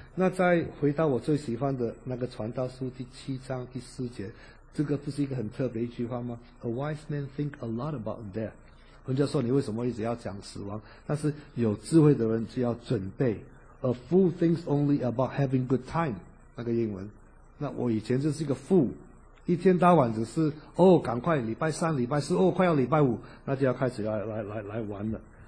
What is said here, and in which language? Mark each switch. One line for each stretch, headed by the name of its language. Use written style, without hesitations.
Chinese: 那再回到我最喜欢的那个传道书7:4，这个不是一个很特别一句话吗？
English: A wise man think a lot about death。
Chinese: 人家说你为什么一直要讲死亡，但是有智慧的人就要准备。
English: A fool thinks only about having good time，
Chinese: 那个英文。那我以前就是一个 fool， 一天到晚只是哦赶快礼拜三礼拜四哦快要礼拜五，那就要开始来玩了。